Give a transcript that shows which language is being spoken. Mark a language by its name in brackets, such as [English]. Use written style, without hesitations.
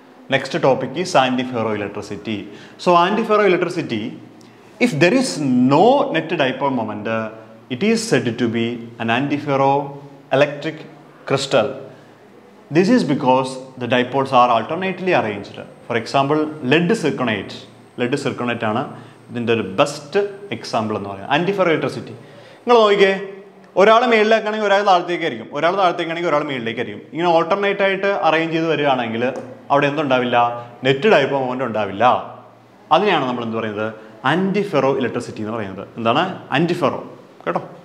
[English] Next topic is antiferroelectricity so antiferroelectricity if there is no net dipole moment It is said to be an antiferroelectric crystal. This is because the dipoles are alternately arranged. For example, [Malayalam] lead zirconate ആണ് ഇതിന്റെ ഒരു best example എന്ന് പറയുന്നത് antiferroelectricity. നിങ്ങൾ നോക്കിക്കേ ഒരാൾ മേളിലേക്കാണെങ്കിൽ ഒരാൾ താഴത്തേക്കായിരിക്കും ഒരാൾ താഴത്തേക്കാണെങ്കിൽ ഒരാൾ മേളിലേക്കായിരിക്കും ഇങ്ങനെ ഓൾട്ടർനേറ്റ് ആയിട്ട് അറേഞ്ച് ചെയ്ത് വരികയാണെങ്കിൽ അവിടെ എന്തുണ്ടാവില്ല നെറ്റ് ഡൈപോൾ മൊമെന്റ് ഉണ്ടാവില്ല അതിനെയാണ് നമ്മൾ എന്ത് പറയുന്നത് antiferro electricity എന്ന് പറയുന്നത് എന്താണ് antiferro കേട്ടോ